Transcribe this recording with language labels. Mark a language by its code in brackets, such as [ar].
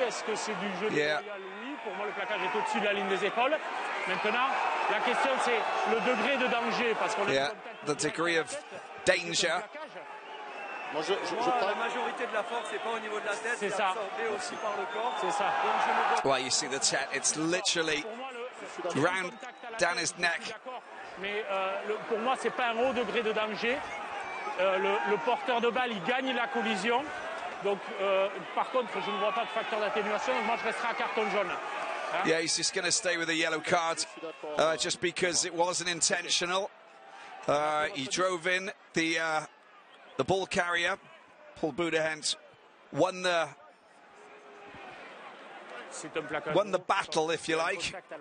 [fr] Est-ce que c'est du jeu de oui. Pour moi, le plaquage est au-dessus de la ligne des épaules. Maintenant, la question c'est le degré de danger, parce qu'on est [en] the degree of danger. [fr] Moi, la majorité de la force n'est pas au niveau de la tête, c'est absorbée aussi par le corps. C'est ça. [en] Well, you see the tête, it's literally round down his neck. [fr] Mais pour moi, c'est pas un haut degré de danger. Le porteur de balle, il gagne la collision. Donc, par contre, je ne vois pas de facteur d'atténuation. Moi, je resterai à carton jaune. Hein? [en] Yeah, he's just going to stay with a yellow card, just because it wasn't intentional. He drove in the ball carrier. Paul Boudahent won the battle, if you like.